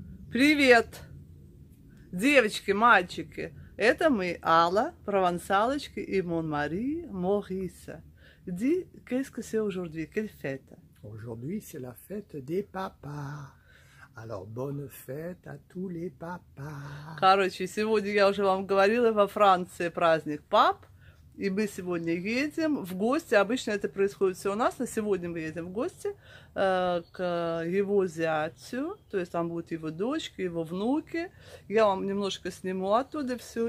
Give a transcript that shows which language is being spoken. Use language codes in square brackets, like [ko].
[ru] Привет, девочки, мальчики. Это мы, Алла, провансалочки и Мон-Мари Мориса. [fr] Ди, qu'est-ce que c'est aujourd'hui? Quelle fête? Aujourd'hui, c'est la fête des papas. Alors, bonne fête à tous les papas. [ru] Короче, сегодня я уже вам говорила, во Франции праздник пап. И мы сегодня едем в гости. Обычно это происходит все у нас, но сегодня мы едем в гости к его зятю. То есть там будут его дочки, его внуки. Я вам немножко сниму оттуда все.